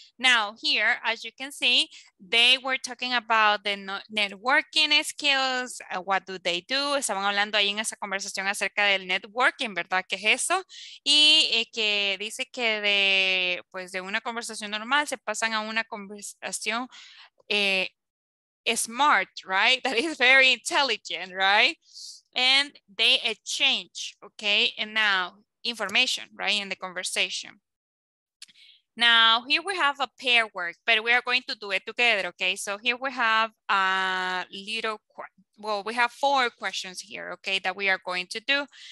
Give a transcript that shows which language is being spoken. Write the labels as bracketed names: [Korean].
[English] Now, here, as you can see, they were talking about the networking skills. What do they do? [Spanish] Estaban hablando ahí en esa conversación acerca del networking, ¿verdad? ¿Qué es eso? Y que dice que de, pues, de una conversación normal se pasan a una conversación smart, right? [English] That is very intelligent, right? And they exchange, okay, and now information, right, in the conversation. Now, here we have a pair work, but we are going to do it together, okay? So here we have a little, well, we have four questions here, okay, that we are going to do.